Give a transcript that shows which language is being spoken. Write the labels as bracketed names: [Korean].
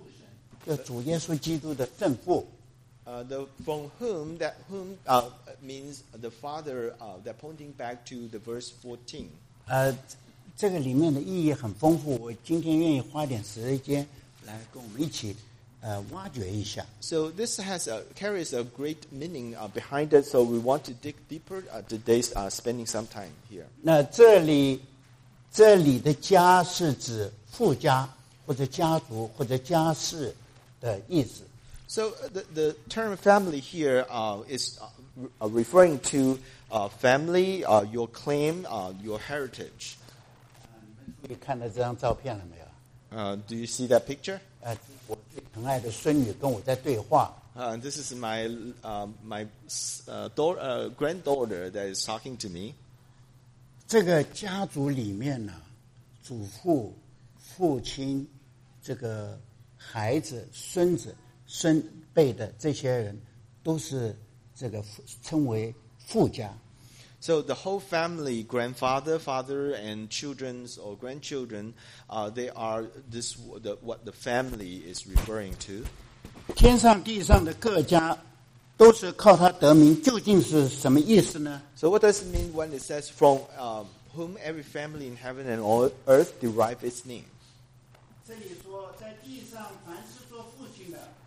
[Chinese] 他就是十四节中的父神，就主耶稣基督的正父。 [English] From whom means the father that pointing back to the verse 14. [Chinese] 这个里面的意义很丰富，我今天愿意花点时间来跟我们一起挖掘一下。 [English] So this has carries a great meaning behind it, so we want to dig deeper today's spending some time here. [Chinese] 那这里的家是指父家或者家族或者家世的意思。 [English] So the term family here is referring to family, your claim, your heritage. [Chinese] 你看到这张照片了没有？ [English] Do you see that picture? [Chinese] 我疼爱的孙女跟我在对话。 [English] This is my granddaughter that is talking to me. [Chinese] 这个家族里面呢，祖父、父亲、这个孩子、孙子。孙辈的这些人都是这个称为父家。 [English] So the whole family, grandfather, father, and children or grandchildren, they are this what the family is referring to. [Chinese] 天上地上的各家都是靠他得名，究竟是什么意思呢？ [English] So what does it mean when it says from whom every family in heaven and on earth derive its name? [Chinese] 这里说在地上凡是做父亲的